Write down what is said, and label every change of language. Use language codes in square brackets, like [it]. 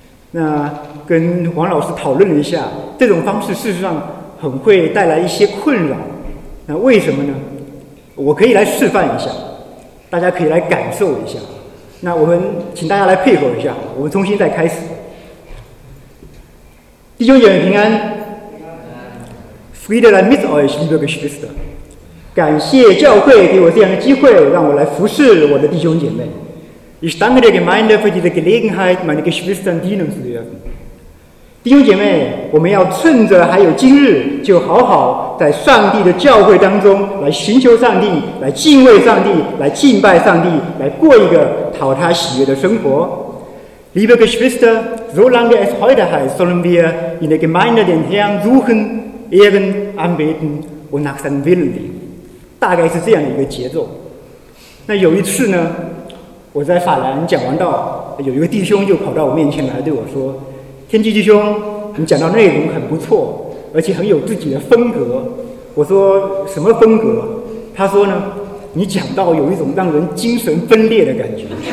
[zh] 那跟王老师讨论了一下，这种方式事实上很会带来一些困扰。那为什么呢？我可以来示范一下，大家可以来感受一下。那我们请大家来配合一下，我们重新再开始。弟兄姐妹平安。 [de] Friederlein mit euch, liebe Geschwister. [zh] 感谢教会给我这样的机会，让我来服侍我的弟兄姐妹。 [de] Ich danke der Gemeinde für diese Gelegenheit, meine Geschwister dienen zu dürfen. [zh] 弟兄姐妹，我们要趁着还有今日，就好好在上帝的教会当中来寻求上帝，来敬畏上帝，来敬拜上帝，来过一个讨他喜悦的生活。 [de] Liebe Geschwister, solange es heute heißt, sollen wir in der Gemeinde den Herrn suchen. Ehren anbeten und nach seinem Willen leben. [zh] 大概是这样的一个节奏。那有一次呢，我在法兰讲完道，有一个弟兄就跑到我面前来对我说，天纪弟兄，你讲到内容很不错，而且很有自己的风格。我说什么风格？他说呢，你讲到有一种让人精神分裂的感觉。